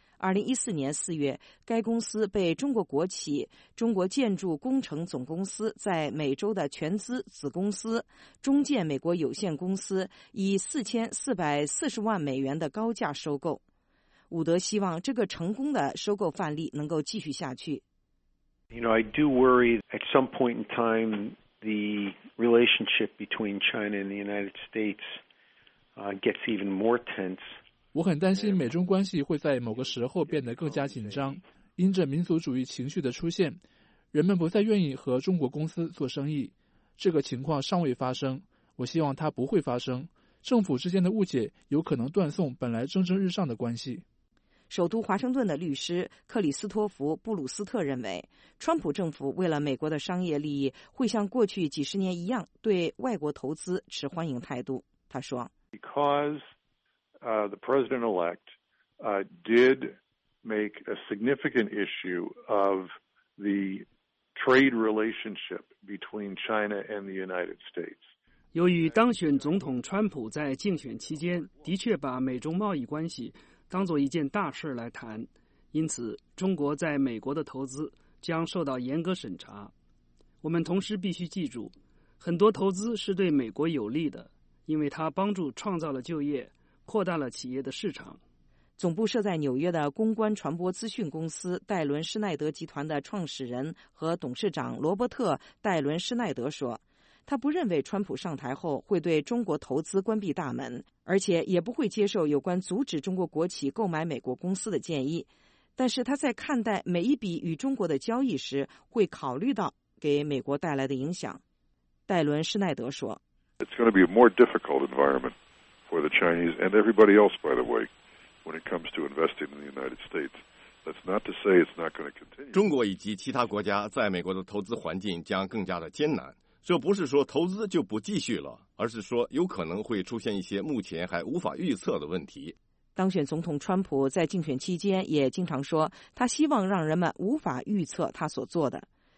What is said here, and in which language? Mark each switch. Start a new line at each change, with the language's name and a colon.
Chinese: 2014年4月，该公司被中国国企中国建筑工程总公司在美洲的全资子公司中建美国有限公司以4440万美元的高价收购。伍德希望这个成功的收购范例能够继续下去。
English: You know, I do worry at some point in time. The relationship between China and the United States gets even more tense.
Chinese: 我很担心美中关系会在某个时候变得更加紧张，因着民族主义情绪的出现，人们不再愿意和中国公司做生意。这个情况尚未发生，我希望它不会发生。政府之间的误解有可能断送本来蒸蒸日上的关系。首都华盛顿的律师克里斯托弗·布鲁斯特认为，川普政府为了美国的商业利益，会像过去几十年一样对外国投资持欢迎态度。他说
English: ：“Because the president-elect did make a significant issue of the trade relationship between China and the United States.”
Chinese: 由于当选总统川普在竞选期间的确把美中贸易关系当作一件大事来谈，因此中国在美国的投资将受到严格审查。我们同时必须记住，很多投资是对美国有利的，因为它帮助创造了就业，扩大了企业的市场。总部设在纽约的公关传播资讯公司戴伦施耐德集团的创始人和董事长罗伯特·戴伦施耐德说，他不认为川普上台后会对中国投资关闭大门，而且也不会接受有关阻止中国国企购买美国公司的建议。但是他在看待每一笔与中国的交易时，会考虑到给美国带来的影响。戴伦·施耐德说
English: ：“It's going to be a more difficult environment for the Chinese and everybody else, by the way, when it comes to investing in the United States.” That's not to say it's not going to continue.
Chinese: 中国以及其他国家在美国的投资环境将更加的艰难。这不是说投资就不继续了，而是说有可能会出现一些目前还无法预测的问题。当选总统川普在竞选期间也经常说，他希望让人们无法预测他所做的。